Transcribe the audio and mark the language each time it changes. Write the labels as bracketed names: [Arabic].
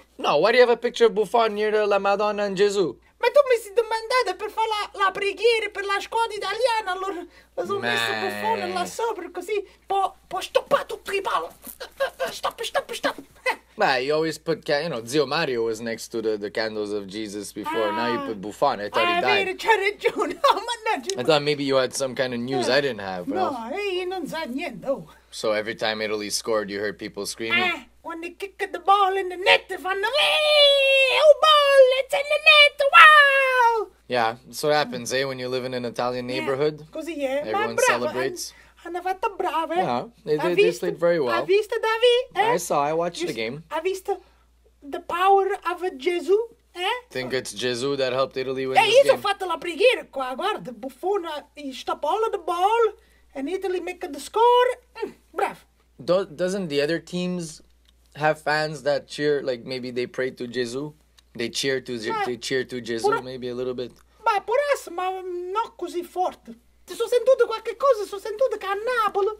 [English] No, why do you have a picture of Buffon near [Italian] la Madonna [English] and Gesù? [Italian] Ma tu mi si domandate per fare la preghiera per la squadra italiana, allora lo sono messo Buffon là sopra, così può stoppare tutto il palo! [English] Stop! Beh, you always put, you know, Zio Mario was next to the candles of Jesus before. Ah, now you put Buffon. I thought he died. [Italian] Ah, vero, c'ha ragione. Oh, mannaggia. [English] I thought maybe you had some kind of news I didn't have. [Italian] No, hey, non sa niente. [English] So every time Italy scored, you heard people screaming? When they kick the ball in the net, they [Italian] fanno, [English] oh, ball, it's in the net, wow! Yeah, that's what happens, eh, when you live in an Italian neighborhood. [Italian] Yeah, così è. [English] Everyone celebrates. [Italian] Hanno fatto brave. [English] Yeah, they played very well. [Italian] Ha visto, Davi? [English] I saw, I watched the game. [Italian] Ha visto [English] the power of Gesù? Think it's Gesù that helped Italy win this game? [Italian] Io ho fatto la preghiera qua, guarda, [English] Buffon, he stopped all of the ball, and Italy make the score, brave. Doesn't the other teams have fans that cheer, like maybe they pray to Gesù? They cheer to Gesù maybe a little bit? [Italian] Beh, può essere, ma non così forte. Ti sono sentito qualche cosa, sono sentito che a Napoli.